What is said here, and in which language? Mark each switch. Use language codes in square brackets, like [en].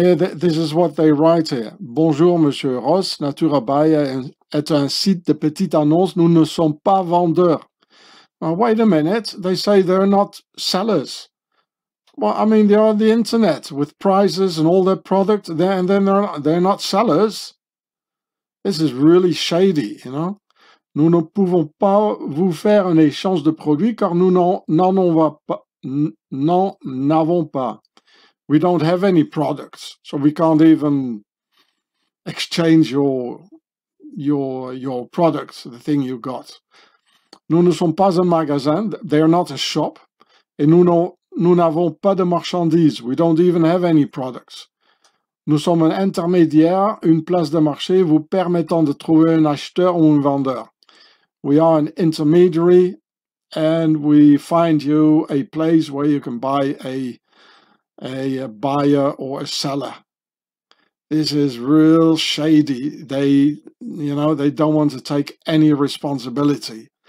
[en] And this is what they write here. [fr] Bonjour, Monsieur Ross. Naturabuy est un site de petite annonce. Nous ne sommes pas vendeurs. [en] Now, wait a minute. They say they're not sellers. Well, I mean, they're on the internet with prices and all their product, and then they're not sellers. This is really shady, you know. [fr] Nous ne pouvons pas vous faire un échange de produits car nous n'en avons pas, non, n'avons pas. [en] We don't have any products, so we can't even exchange your products, the thing you got. [fr] Nous ne sommes pas un magasin, [en] they are not a shop, [fr] et nous n'avons pas de marchandises, [en] we don't even have any products. [fr] Nous sommes un intermédiaire, une place de marché vous permettant de trouver un acheteur ou un vendeur. [en] We are an intermediary and we find you a place where you can buy a buyer or a seller. This is real shady. They, you know, they don't want to take any responsibility.